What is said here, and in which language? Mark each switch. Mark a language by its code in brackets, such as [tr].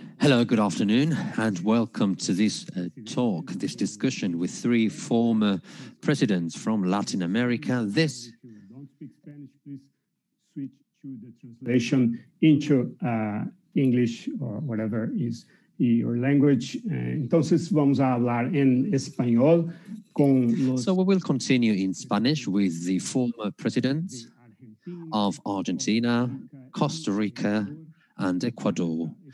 [en] Hello, good afternoon, and welcome to this talk, this discussion with three former presidents from Latin America. This... Don't speak Spanish, please switch to the translation into English or whatever is your language. [es] Entonces, vamos a hablar en español con los... [en] So we will continue in Spanish with the former presidents of Argentina, Costa Rica, and Ecuador.